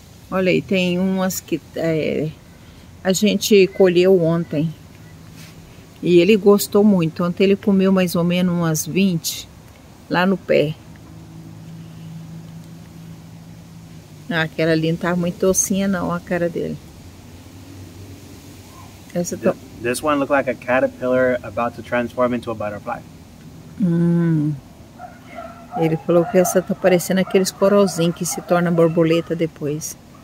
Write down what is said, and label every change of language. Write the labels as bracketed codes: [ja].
[pt] Olha aí, tem umas que a gente colheu ontem e ele gostou muito. Ontem ele comeu mais ou menos umas 20 lá no pé. Ah, aquela ali não tá muito docinha não, a cara dele. Essa tá. [en] This one looked like a caterpillar about to transform into a butterfly. [pt] Ele falou que essa tá parecendo aqueles corozinhos que se torna borboleta depois.